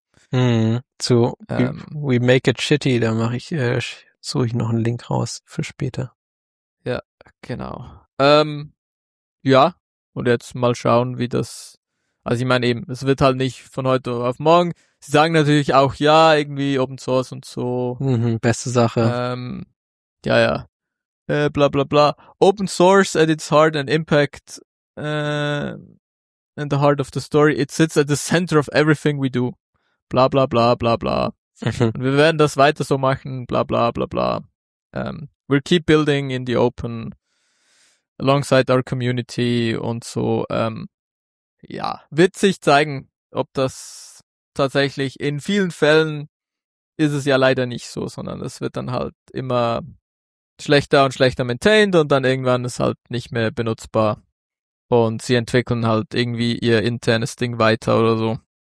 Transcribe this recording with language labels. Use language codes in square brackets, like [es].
[de] Zu [en] we make it shitty, [de] da suche ich noch einen Link raus für später. Ja, genau. Und jetzt mal schauen, wie das, also ich meine eben, es wird halt nicht von heute auf morgen. Sie sagen natürlich auch, ja, irgendwie Open Source und so. Beste Sache. Bla bla bla. [en] Open Source at its heart and impact in the heart of the story, it sits at the center of everything we do. [de] Bla bla bla bla bla. Und wir werden das weiter so machen, bla bla bla bla. [en] We'll keep building in the open alongside our community [de] und so. Wird sich zeigen, ob das tatsächlich, in vielen Fällen ist es ja leider nicht so, sondern es wird dann halt immer schlechter und schlechter maintained und dann irgendwann ist halt nicht mehr benutzbar. Und sie entwickeln halt irgendwie ihr internes Ding weiter oder so.